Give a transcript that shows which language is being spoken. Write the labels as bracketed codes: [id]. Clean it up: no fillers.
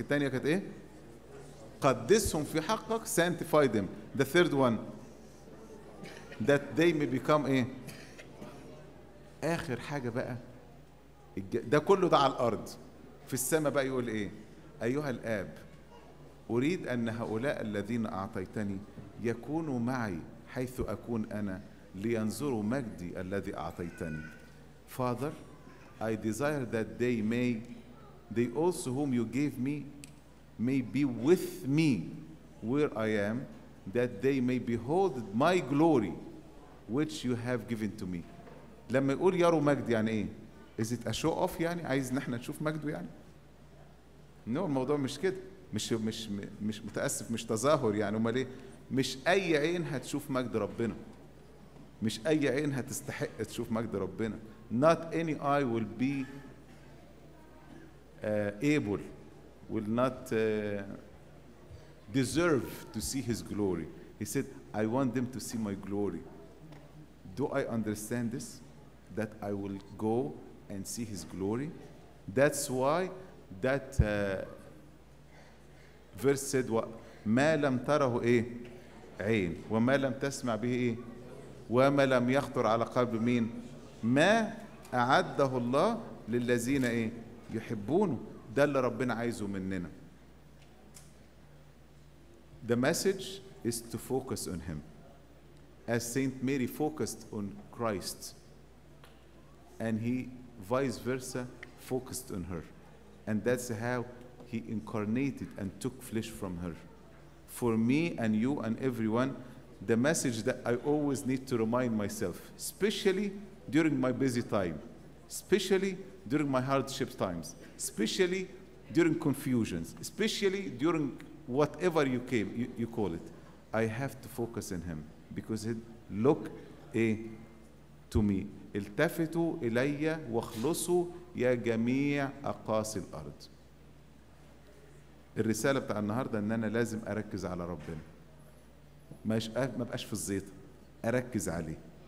[ar] الثانية كانت ايه؟ قدسهم في حقك. [en] Sanctify them. The third one. That they may become ايه؟ [ar] آخر حاجة بقى. ده كله ده على الأرض. في السماء بقى يقول ايه؟ أيها الآب، أريد أن هؤلاء الذين أعطيتني يكونوا معي حيث أكون أنا لينظروا مجدي الذي أعطيتني. [en] Father, I desire that they also whom you gave me may be with me where I am, that they may behold my glory which you have given to me. [ar] لما يقول يروا مجد يعني ايه؟ [en] Is it a show off [ar] يعني؟ عايز نحن نشوف مجده يعني؟ No, الموضوع مش كده. مش متأسف، مش تظاهر يعني. وما ليه؟ مش اي عين هتشوف مجد ربنا. مش اي عين هتستحق تشوف مجد ربنا. [en] Not any eye will be able, will not deserve to see His glory. He said, I want them to see my glory. Do I understand this? That I will go and see His glory? That's why that verse said, [ar] ما لم تره إيه؟ عين. وما لم تسمع به إيه؟ وما لم يخطر على قلب مين؟ ما أعده الله للذين إيه؟ يحبونه. ده اللي ربنا عايزه مننا. [en] The message is to focus on Him. As Saint Mary focused on Christ, and He vice versa focused on her. And that's how He incarnated and took flesh from her. For me and you and everyone, the message that I always need to remind myself, especially during my busy time, especially during my hardship times, especially during confusions, especially during whatever you call it, I have to focus on Him. Because it look to me. [ar] التفتوا إلي واخلصوا يا جميع أقاصي الأرض. الرسالة بتاع النهاردة أن أنا لازم أركز على ربنا. ما بقاش في الزيت. أركز عليه.